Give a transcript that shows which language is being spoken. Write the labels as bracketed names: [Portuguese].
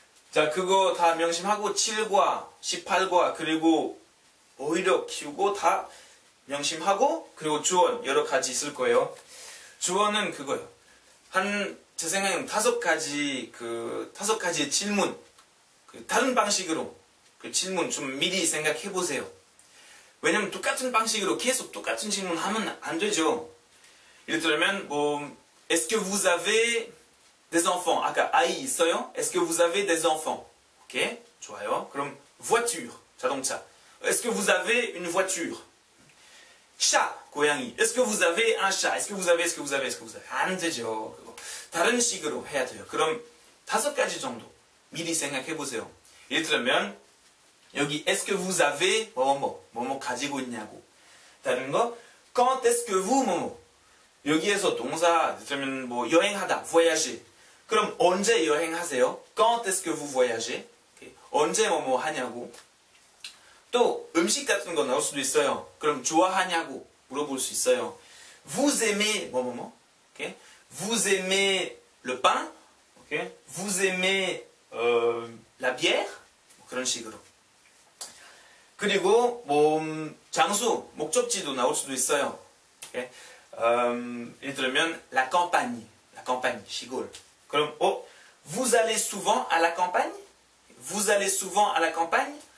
[Korean] 자, 그거 다 명심하고 7과, 18과, 그리고 어휘력 키우고 다 명심하고 그리고 주어는 여러 가지 있을 거예요. 주어는 그거요. 한 제 생각엔 다섯 가지의 질문, 그 다른 방식으로 그 질문 좀 미리 생각해보세요. 왜냐면 똑같은 방식으로 계속 똑같은 질문 하면 안 되죠. 예를 들면 뭐 [French] Est-ce que vous avez des enfants? [Korean] 아까 아이 있어요? [French] Est-ce que vous avez des enfants? [Korean] 오케이, 좋아요. 그럼 voiture, 자동차. [French] Est-ce que vous avez une voiture? [Korean] 차, 고양이. [French] Est-ce que vous avez un chat? Est-ce que vous avez, est-ce que vous avez, est-ce que vous avez? [Korean] 안 되죠. 그거. 다른 식으로 해야 돼요. 그럼 다섯 가지 정도 미리 생각해보세요. 예를 들면 여기 [French] Est-ce que vous avez [Korean] 뭐뭐뭐 가지고 있냐고. 다른 거 [French] Quand est-ce que vous, Momo? [Korean] 여기에서 동사, 뭐 여행하다, voyage. 그럼 언제 여행하세요? [French] Quand est-ce que vous voyagez? [Korean] 언제 뭐 하냐고. 또 음식 같은 거 나올 수도 있어요. 그럼 좋아하냐고 물어볼 수 있어요. [French] Vous aimez [Korean] 뭐뭐뭐? [French] Okay. Vous aimez le pain? Okay. Vous aimez la bière? [Korean] 그런 식으로. 그리고 뭐 장소, 목적지도 나올 수도 있어요. [English] Okay. [Korean] 예를 들면 [French] la campagne, la campagne, [Korean] 시골. 그럼 [French] vous allez souvent à la campagne? Vous allez souvent à la campagne?